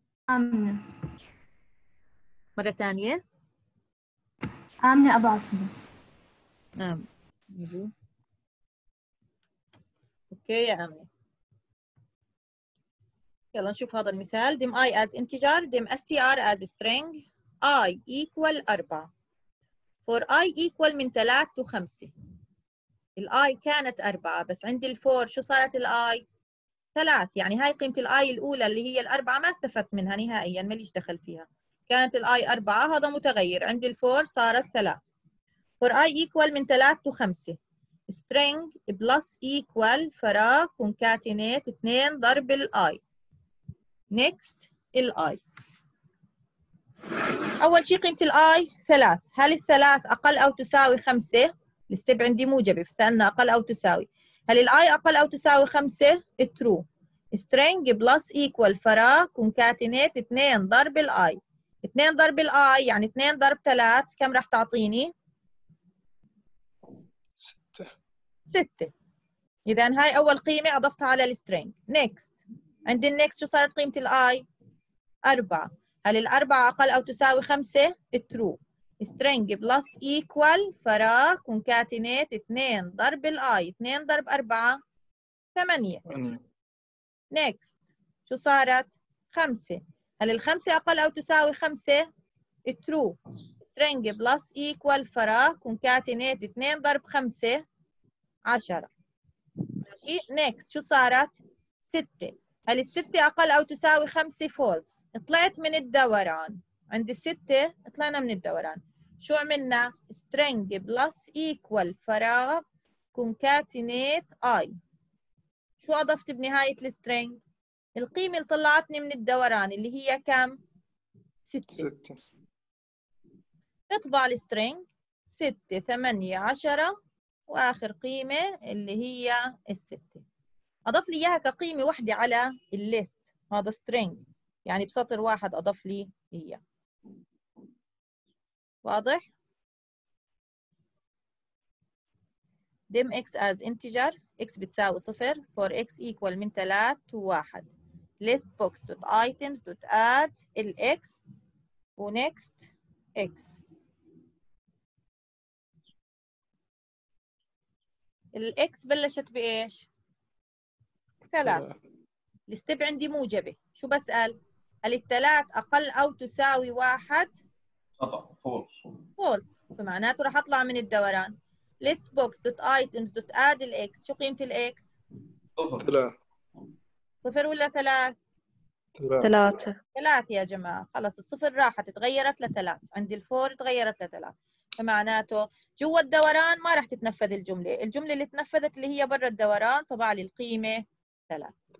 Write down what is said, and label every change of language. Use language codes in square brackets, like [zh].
[ar] آمنة. مرة ثانية. آمنة أبو عصبة. اوكي يا عمي، يلا نشوف هذا المثال. [en] dim i as integer dim str as string i equal 4 for i equal من 3 to 5. [ar] ال i كانت 4 بس عند ال 4 شو صارت ال i؟ 3. يعني هاي قيمة ال i الأولى اللي هي ال 4 ما استفدت منها نهائيا، ما ليش دخل فيها. كانت ال i 4، هذا متغير، عند ال 4 صارت 3. [en] For i equal من 3 to 5 string plus equal فراغ concatenate 2 [ar] ضرب ال i. next ال i، أول شيء قيمة ال i 3. هل الثلاث أقل أو تساوي 5؟ الستيب عندي موجبة فسألنا أقل أو تساوي. هل ال i أقل أو تساوي 5؟ true. [en] string plus equal فراغ concatenate 2 [ar] ضرب ال i. 2 ضرب ال i يعني 2 ضرب 3 كم راح تعطيني؟ 6. إذا هاي أول قيمة أضفتها على السترينج. next، عند النكست شو صارت قيمة الـ i؟ 4. هل الـ 4 أقل أو تساوي 5؟ true. [en] string plus equal فراغ concatenate 2 [ar] ضرب الـ i. 2 ضرب 4 8. next شو صارت؟ 5. هل الـ 5 أقل أو تساوي 5؟ true. [en] string plus equal فراغ concatenate 2 [ar] ضرب 5 10. ماشي. next شو صارت؟ 6. هل الستة أقل أو تساوي 5؟ false. طلعت من الدوران، عند الستة طلعنا من الدوران، شو عملنا؟ [en] string plus equal [ar] فراغ [en] concatenate i. [ar] شو أضفت بنهاية السترينج؟ القيمة اللي طلعتني من الدوران اللي هي كم؟ 6. اطبع السترينج 6 8 10، وآخر قيمة اللي هي الستة. أضف لي إياها كقيمة واحدة على الليست، هذا string، يعني بسطر واحد أضف لي إياها. واضح؟ [en] dim x as integer [ar] x بتساوي 0 [en] for x equal من 3 to 1 list box dot items dot add ال x و next x. [ar] الإكس بلشت بإيش؟ 3. الستيب عندي موجبة، شو بسأل؟ هل الثلاث أقل أو تساوي 1؟ خطأ، false. false، فمعناته راح أطلع من الدوران. [en] list box dot items dot add الإكس، [ar] شو قيمة الإكس؟ 3. 0 ولا 3؟ 3. 3 يا جماعة، خلص الصفر راحت، تغيرت لـ3، عندي الفور تغيرت لـ3. فمعناته جوا الدوران ما راح تتنفذ الجملة، الجملة اللي تنفذت اللي هي برا الدوران طبع لي القيمة 3.